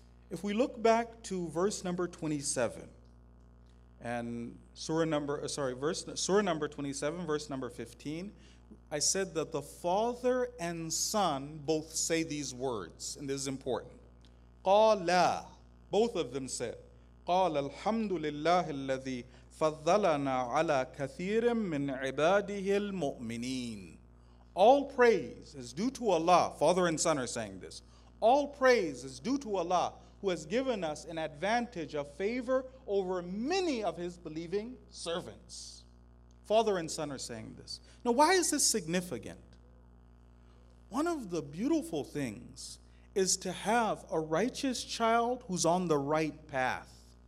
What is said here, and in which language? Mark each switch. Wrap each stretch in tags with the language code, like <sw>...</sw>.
<en>If we look back to verse number 27 and surah number 27, verse number 15, I said that the father and son both say these words, and this is important.</en> <ar>Qala.</ar> <en>Both of them said,</en> <ar>قال الحمد لله الذي فضلنا على كثير من عباده المؤمنين.</ar> <en>All praise is due to Allah. Father and son are saying this. All praise is due to Allah, who has given us an advantage of favor over many of his believing servants. Father and son are saying this. Now, why is this significant? One of the beautiful things is to have a righteous child who's on the right path.</en>